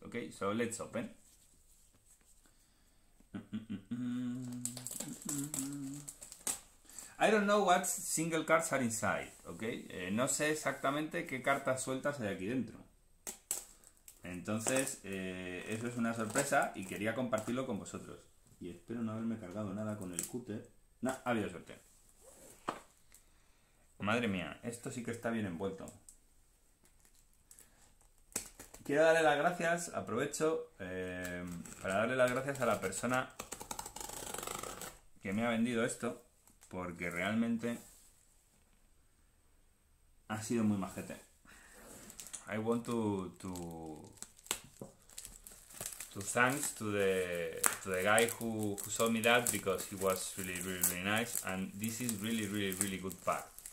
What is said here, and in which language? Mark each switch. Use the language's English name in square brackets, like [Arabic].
[English] Okay, so let's open. I don't know what single cards are inside. [Spanish] Okay, no sé exactamente qué cartas sueltas hay aquí dentro. Entonces, eso es una sorpresa y quería compartirlo con vosotros. Y espero no haberme cargado nada con el cúter. No, ha habido suerte. Madre mía, esto sí que está bien envuelto. Quiero darle las gracias, aprovecho, para darle las gracias a la persona que me ha vendido esto, porque realmente ha sido muy majete. [English] I want to thanks to the guy who sold me that, because he was really, really, really nice, and this is really, really, really good pack.